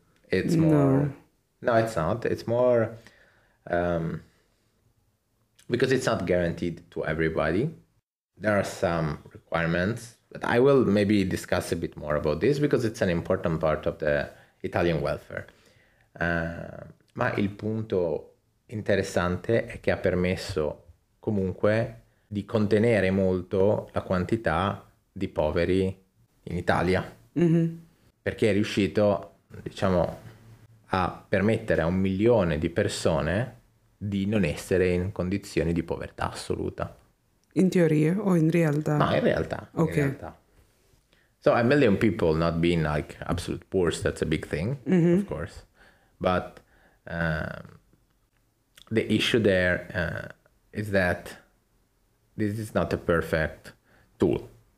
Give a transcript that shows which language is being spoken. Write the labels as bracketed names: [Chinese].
[English] It's more no, it's not. It's more because it's not guaranteed to everybody. There are some requirements, but I will maybe discuss a bit more about this because it's an important part of the Italian welfare. [Italian] Ma il punto interessante è che ha permesso comunque di contenere molto la quantità di poveri in Italia, mm-hmm. perché è riuscito, diciamo, a permettere a 1 milione di persone di non essere in condizioni di povertà assoluta. In teoria o in realtà? No, in realtà. Ok. In realtà. [English] So, 1 million people not being like absolute poor, that's a big thing, mm-hmm. of course. But the issue there is that this is not a perfect tool.